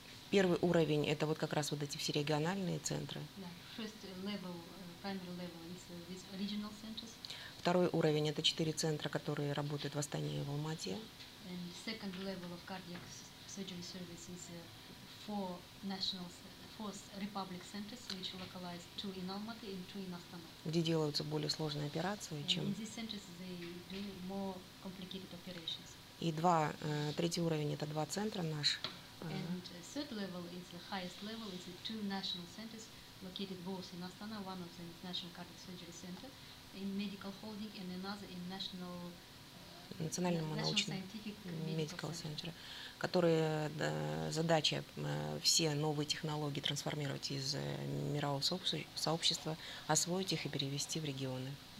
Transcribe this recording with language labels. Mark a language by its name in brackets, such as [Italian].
[Russian] Первый уровень это вот как раз вот эти все региональные центры. [English] Yeah. First level, primary level is these regional centers. [Russian] Второй уровень это 4 центра, которые работают в Астане и в Алмате. [English] And second level of cardiac surgery service is four national, four republic centers, which localize two in Almaty and two in Astana. [Russian] Где делаются более сложные операции, чем? [English] In these centers they do more complicated operations. [Russian] И два, третий уровень это два центра наш. [English] And third level is the highest level, is the two national centers located both in Astana, one of them is National Cardiac Surgery Center in medical holding and another in National [Russian] национальному научному медикал центру, которые задача все новые технологии трансформировать из мирового сообщества, освоить их и перевести в регионы.